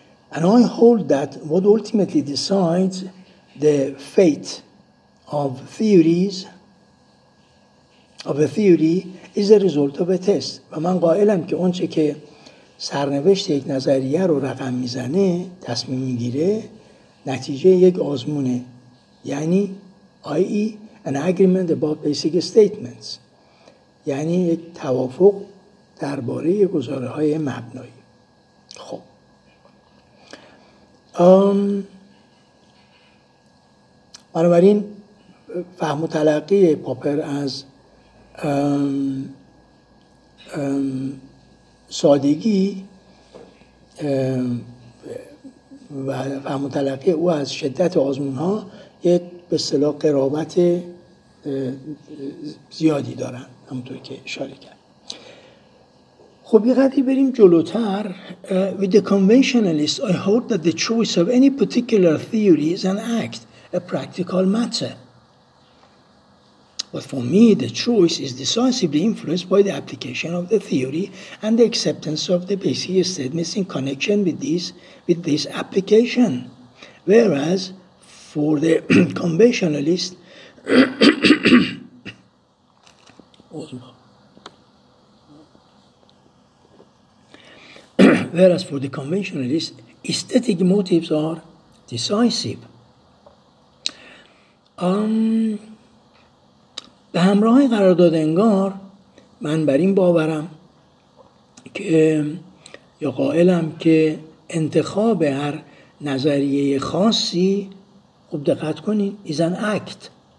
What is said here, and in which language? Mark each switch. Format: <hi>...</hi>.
<en>And I hold that what ultimately decides the fate of theories, of a theory, is the result of a test.</en> <fa>و من قائلم که اون چه که سرنوشت یک نظریه رو رقم میزنه، تصمیم میگیره، نتیجه یک آزمونه، یعنی i.e.</fa> <en>an agreement about basic statements،</en> <fa>یعنی یک توافق درباره گزاره‌های مبنایی. خب بنابراین فهم و تلقی پاپر از سادگی و فهم و تلقی او از شدت آزمون‌ها یک به اصطلاح قرابت زیادی دارن، همونطور که اشاره کرد. خب یه قدری بریم جلوتر.</fa> <en>With the conventionalists, I hold that the choice of any particular theory is an act, a practical matter. But for me, the choice is decisively influenced by the application of the theory and the acceptance of the basic statements in connection with this application. Whereas for the conventionalists, whereas for the conventionalist, aesthetic motives are decisive.</en> <fa>به همراه قرارداد انگار، من بر این باورم که یا قائلم که انتخاب هر نظریه خاصی، خوب دقت کنین،</fa> <en>is an act.</en>